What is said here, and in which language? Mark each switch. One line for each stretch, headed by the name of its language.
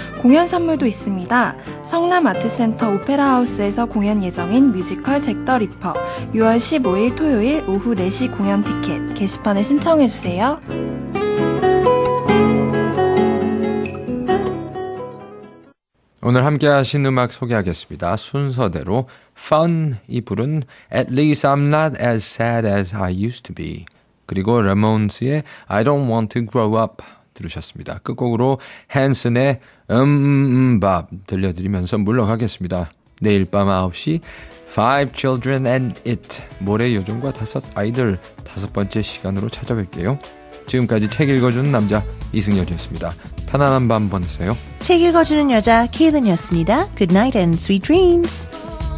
Korean: 공연 선물도 있습니다. 성남아트센터 오페라하우스에서 공연 예정인 뮤지컬 잭더 리퍼, 6월 15일 토요일 오후 4시 공연 티켓 게시판에 신청해주세요. 오늘 함께하신 음악 소개하겠습니다. 순서대로 Fun이 부른 At least I'm not as sad as I used to be, 그리고 레몬스의 I don't want to grow up 들으셨습니다. 끝곡으로 헨슨의 밥 들려드리면서 물러가겠습니다. 내일 밤 9시 Five Children and It, 모래 요정과 다섯 아이들 다섯 번째 시간으로 찾아뵐게요. 지금까지 책 읽어주는 남자 이승열이었습니다. 편안한 밤 보내세요. 책 읽어주는 여자 케이든이었습니다.
English: Good night and sweet dreams.